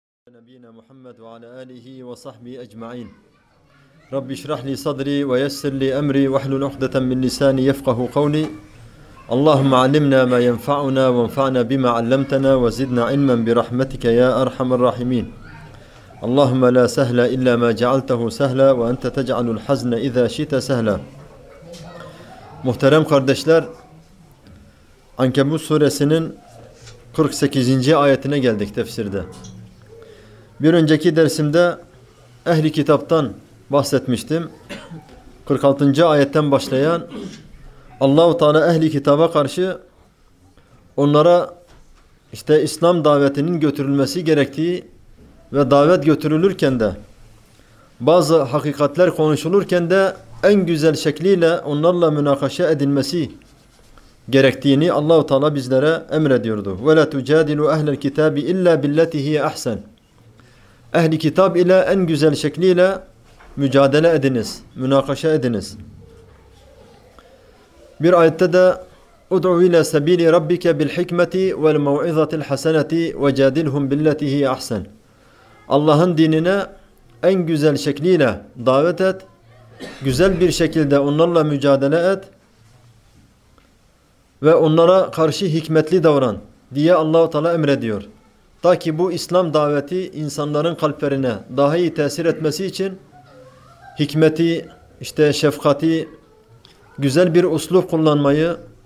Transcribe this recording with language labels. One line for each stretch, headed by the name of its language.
Arabic: نبينا محمد وعلى آله وصحبه أجمعين. ربي اشرح لي صدري ويسر لي أمري واحلل عقدة من لساني يفقه قولي. اللهم علمنا ما ينفعنا وانفعنا بما علمتنا وزدنا علما برحمتك يا أرحم الراحمين. اللهم لا سهل إلا ما جعلته سهلا وأنت تجعل الحزن إذا شئت سهلا.
Turkish: محترم kardeşler, Ankebut suresinin 48. ayetine geldik tefsirde. Bir önceki dersimde ehli kitaptan bahsetmiştim. 46. ayetten başlayan Allah-u Teala ehli kitaba karşı onlara işte İslam davetinin götürülmesi gerektiği ve davet götürülürken de bazı hakikatler konuşulurken de en güzel şekliyle onlarla münakaşa edilmesi gerektiğini Allah-u Teala bizlere emrediyordu.
Arabic: وَلَا تُجَادِلُوا اَهْلَ الْكِتَابِ اِلَّا بِالَّتِي هِيَ اَحْسَنُ.
Turkish: Ehli kitap ile en güzel şekliyle mücadele ediniz, münakaşa ediniz. Bir ayette de
Arabic: اُدْعُوا اِلَى سَب۪يلِ رَبِّكَ بِالْحِكْمَةِ وَالْمَوْعِظَةِ الْحَسَنَةِ وَجَادِلْهُمْ بِالَّتِي هِيَ اَحْسَنُ.
Turkish: Allah'ın dinine en güzel şekliyle davet et, güzel bir şekilde onlarla mücadele et ve onlara karşı hikmetli davran diye Allah-u Teala emrediyor. Ta ki bu İslam daveti insanların kalplerine daha iyi tesir etmesi için hikmeti, işte şefkati, güzel bir uslup kullanmayı,